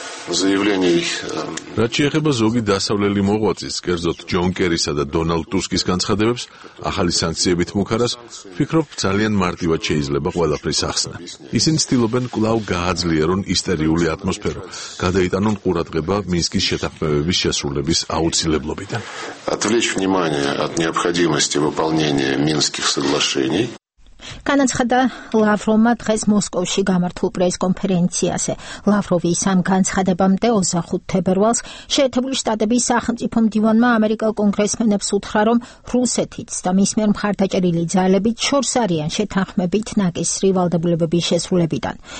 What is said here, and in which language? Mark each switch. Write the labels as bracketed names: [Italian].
[Georgian] რაჭი ეხება ზოგი დასავლელი მოღვაწის, კერძოდ ჯონ კერისა და დონალდ ტუსკის განცხადებებს ახალი სანქციებით მუქარას, ვფიქრობ ძალიან მარტივად შეიძლება ყველაფრის ახსნა. ისინი ცდილობენ კვლავ გააძლიერონ ისტერიული ატმოსფერო, გადაიტანონ ყურადღება მინსკის შეთანხმებების შესრულების აუცილებლობიდან. [Russian] Отвлечь внимание от необходимости выполнения Минских соглашений. [Georgian] განაცხადა ლავროვმა დღეს მოსკოვში გამართულ პრესკონფერენციაზე. ლავროვის ამ განცხადებამდე 25 თებერვალს შეერთებული შტატების სახელმწიფო მდივანმა ამერიკელ კონგრესმენებს უთხრა, რომ რუსეთიც და მის მიერ მხარდაჭერილი ძალებიც შორს არიან შეთანხმებით ნაკისრი ვალდებულებების შესრულებიდან.